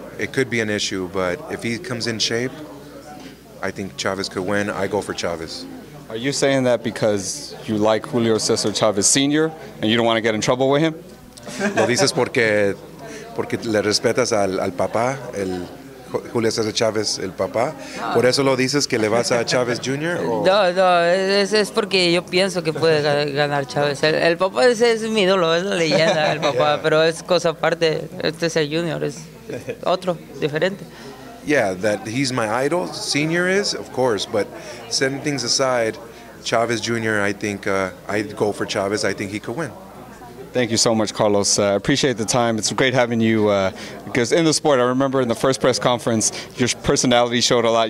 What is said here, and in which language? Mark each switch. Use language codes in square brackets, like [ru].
[en] It could be an issue, but if he comes in shape, I think Chavez could win. I go for Chavez. Are you saying that because you like Julio Cesar Chavez Sr. and you don't want to get in trouble with him? [es] Lo dices porque le respetas al papá, el Julio Cesar Chavez, el papá. ¿Por eso lo dices que le vas a Chavez Jr.? ¿O? No, es porque yo pienso que puede ganar Chavez. El papá es mi ídolo, es la leyenda, el papá, [en] yeah. [es] Pero es cosa aparte. Este es el Junior, es otro, diferente. [en] Yeah, that he's my idol, Senior is, of course, but setting things aside, Chavez Jr., I think I'd go for Chavez. I think he could win. Thank you so much, Carlos. I appreciate the time. It's great having you, because in the sport, I remember in the first press conference, your personality showed a lot.